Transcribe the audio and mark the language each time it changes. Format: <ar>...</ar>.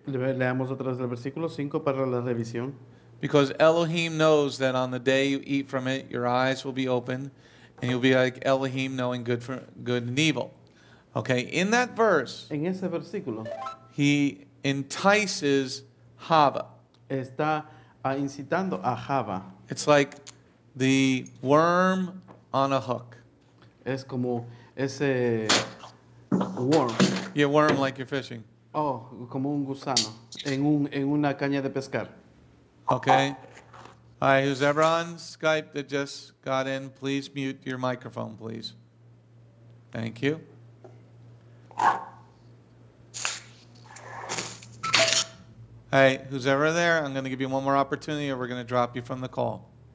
<es>Leamos otra vez el versículo 5 para la revisión.</es> <en>Because Elohim knows that on the day you eat from it, your eyes will be opened, and you'll be like Elohim, knowing good for good and evil. Okay, in that verse,</en> <es>en ese versículo,</es> <en>he entices Hava.</en> <es>Está incitando a Hava.</es> <en>It's like the worm on a hook.</en> <es>Es como ese worm.</es> <en>Yeah, worm like you're fishing.</en> <es>Oh, como un gusano en una caña de pescar.</es> <en>Okay. All right, who's ever on Skype that just got in, please mute your microphone, please. Thank you. Hey, who's ever there, I'm going to give you one more opportunity or we're going to drop you from the call.</en>